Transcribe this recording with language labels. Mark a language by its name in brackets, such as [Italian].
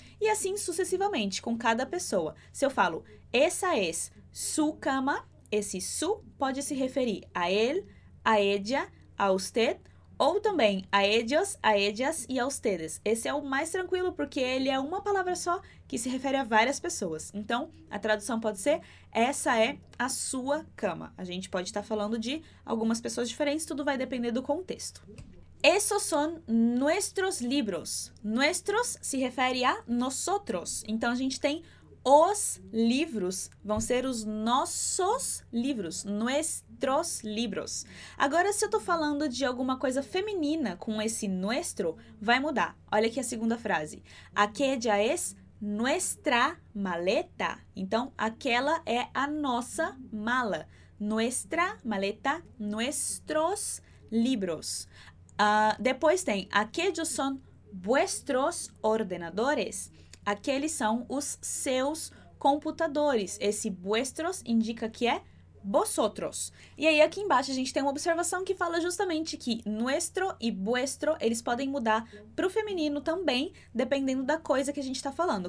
[Portuguese] E assim sucessivamente, com cada pessoa. Se eu falo, essa é [Spanish] es su cama, [Portuguese] esse su pode se referir a ele, a ella, a usted, ou também a ellos, a ellas e a ustedes. Esse é o mais tranquilo, porque ele é uma palavra só que se refere a várias pessoas. Então, a tradução pode ser: essa é a sua cama. A gente pode estar falando de algumas pessoas diferentes, tudo vai depender do contexto. [Spanish] Esos son nuestros libros. Nuestros [Portuguese] se refere a [Spanish] nosotros. [Portuguese] Então, a gente tem os livros, vão ser os nossos livros. Nuestros livros. Agora, se eu tô falando de alguma coisa feminina com esse nuestro, vai mudar. Olha aqui a segunda frase. [Spanish] Aquella es nuestra maleta. [Portuguese] Então, aquela é a nossa mala. [Spanish] Nuestra maleta, nuestros libros. [Portuguese] Depois tem [Spanish] aquellos son vuestros ordenadores. [Portuguese] Aqueles são os seus computadores. Esse vuestros indica que é vosotros. E aí, aqui embaixo, a gente tem uma observação que fala justamente que nuestro e vuestro, eles podem mudar para o feminino também, dependendo da coisa que a gente está falando.